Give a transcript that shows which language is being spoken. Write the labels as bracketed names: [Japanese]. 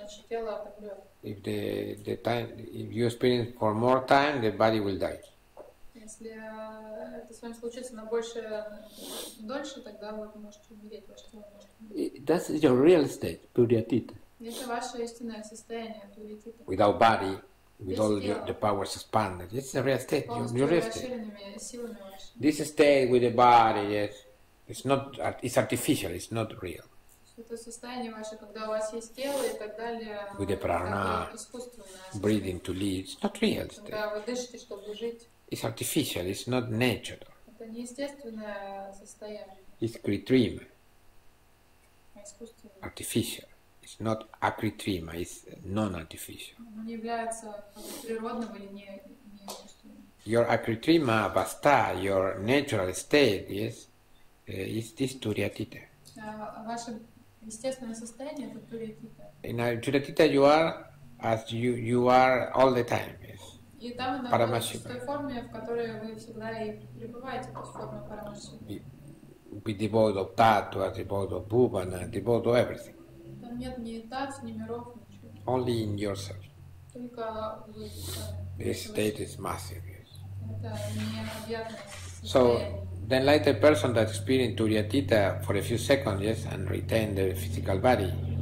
[English] If the time, if you experience for more time, the body will die. [Russian] Если это с вами случится на больше дольше, тогда вы можете умереть, ваше тело может умереть. [English] That's your real state, Turiya Tita. [Russian] Это ваше истинное состояние, Turiya Tita. [English] Without body, with all the powers expanded. This is a real state, your real state. This state with the body, yes. It's not, it's artificial, it's not real. [Russian] Это состояние ваше, когда у вас есть тело и так далее. [English] With the prana, breathing to live, it's not real state. [Russian] Когда вы дышите, чтобы жить. [English] It's artificial, it's not natural. [Russian] Это неестественное состояние. [English] It's kritrima. Artificial. It's not a kritrima, it's non-artificial. [Russian] Оно не является природным или не искусственным. [English] Your akritrima avastha, your natural state, yes, is this Turiya Tita. [Russian] Ваше естественное состояние это Turiya Tita. [English] In a Turiya Tita you are as you are all the time, yes. [Russian] И там она Paramashiva. В той форме, в которой вы всегда и пребываете, то есть форма Парамашивы. [English] Be devoid of tattva, devoid of bhuvana, devoid of everything. [Russian] Там нет ни татв, ни миров, ничего. [English] Only in yourself. [Russian] Только вы. [English] This state is massive, yes. [Russian] Это необъятное состояние. [English] So, the enlightened person that experienced Turiya Tita for a few seconds, yes, and retain the physical body.